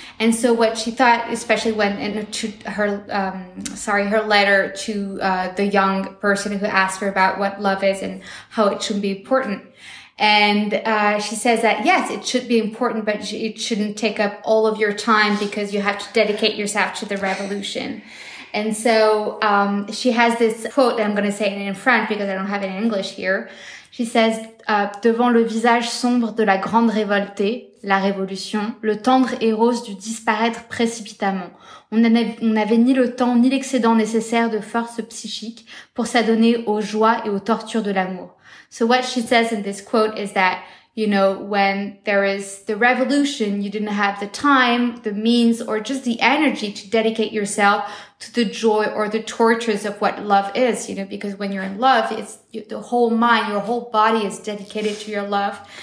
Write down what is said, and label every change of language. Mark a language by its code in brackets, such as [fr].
[en] And so what she thought, especially when in her letter to the young person who asked her about what love is and how it should be important. And she says that, yes, it should be important, but it shouldn't take up all of your time because you have to dedicate yourself to the revolution. And so she has this quote that I'm going to say in French because I don't have it in English here. [fr] She says, devant le visage sombre de la grande révolte, la révolution, le tendre et rose dut disparaître précipitamment. On n'avait ni le temps ni l'excédent nécessaire de force psychique pour s'adonner aux joies et aux tortures de l'amour. [en] So what she says in this quote is that, you know, when there is the revolution, you didn't have the time, the means, or just the energy to dedicate yourself to the joy or the tortures of what love is, you know, because when you're in love, it's the whole mind, your whole body is dedicated to your love.